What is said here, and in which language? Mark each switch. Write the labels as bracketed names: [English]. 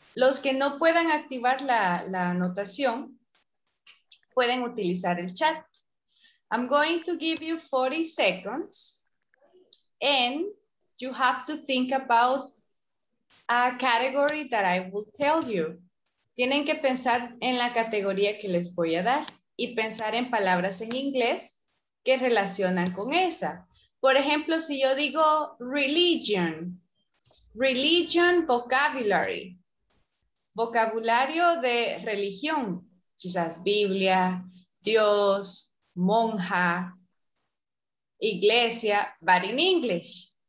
[Spanish] Los que no puedan activar la anotación pueden utilizar el chat. [English] I'm going to give you 40 seconds and you have to think about a category that I will tell you. [Spanish] Tienen que pensar en la categoría que les voy a dar y pensar en palabras en inglés que relacionan con esa. Por ejemplo, si yo digo religion, religion vocabulary, vocabulario de religión, quizás Biblia, Dios, monja, iglesia, [English] but in English.